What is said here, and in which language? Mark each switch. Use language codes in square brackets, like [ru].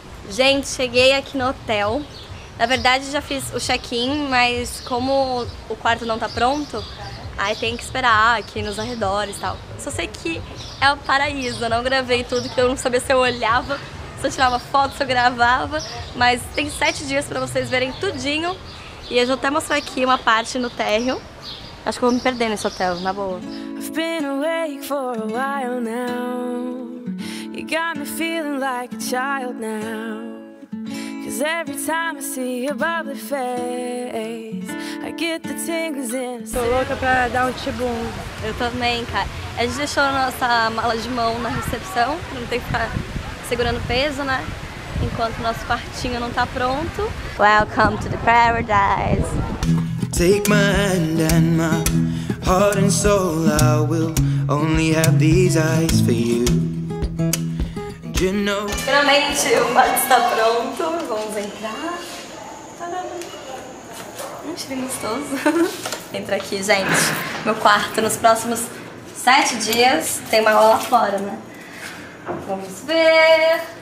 [pt] Gente, cheguei aqui no hotel. Na verdade, já fiz o check-in, mas como o quarto não tá pronto, aí tem que esperar aqui nos arredores e tal. Só sei que é o paraíso. Eu não gravei tudo, que eu não sabia se eu olhava, se eu tirava foto, se eu gravava. Mas tem 7 dias pra vocês verem tudinho. E eu já vou até mostrar aqui uma parte no térreo. Acho que eu vou me perder nesse hotel, na boa. [en] I've been awake for a while now. You got me feeling like a child now. Cause every time I see your bubbly face, I get the tingles in. [pt] Tô louca pra dar um tibum. Eu também, cara. A gente deixou a nossa mala de mão na recepção, pra não ter que ficar segurando peso, né? Enquanto o nosso quartinho não tá pronto. [en] Welcome to the paradise. Take my hand and my heart and soul. I will only have these eyes for you. [pt] Finalmente o quarto está pronto. Vamos entrar. Um cheiro gostoso. Entra aqui, gente. Meu quarto nos próximos 7 dias. Tem uma aula fora, né? Vamos ver.